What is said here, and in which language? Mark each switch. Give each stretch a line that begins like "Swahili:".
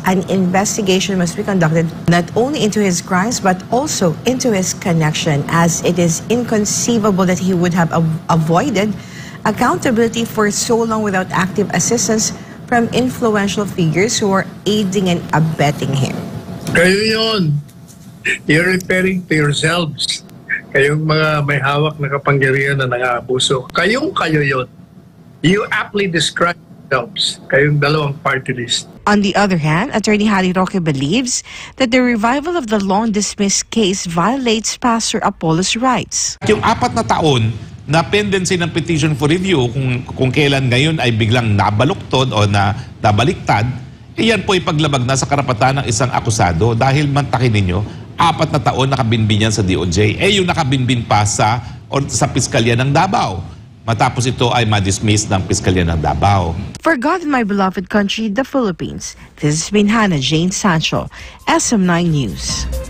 English: An investigation must be conducted not only into his crimes but also into his connection, as it is inconceivable that he would have avoided accountability for so long without active assistance from influential figures who are aiding and abetting him.
Filipino: Kayo yun.
English: You're referring to yourselves.
Filipino: Kayong mga may hawak na kapangyarihan na nang-aabuso. Kayo yun.
English: You aptly describe yourselves.
Filipino: Kayong dalawang party list.
English: On the other hand, Attorney Harry Roque believes that the revival of the long-dismissed case violates Pastor Apollo's rights.
Filipino: Yung apat na taon na pendency ng petition for review, kung kailan ngayon ay biglang nabaluktod o nabaliktad, iyan po ay paglabag na sa karapatan ng isang akusado dahil mantakin ninyo, apat na taon nakabinbin yan sa DOJ. Yung nakabinbin pa sa or sa Piskalya ng Davao. Matapos ito ay ma-dismiss ng Piskalya ng Davao.
English: For God and my beloved country, the Philippines, this has been Hannah Jane Sancho, SM9 News.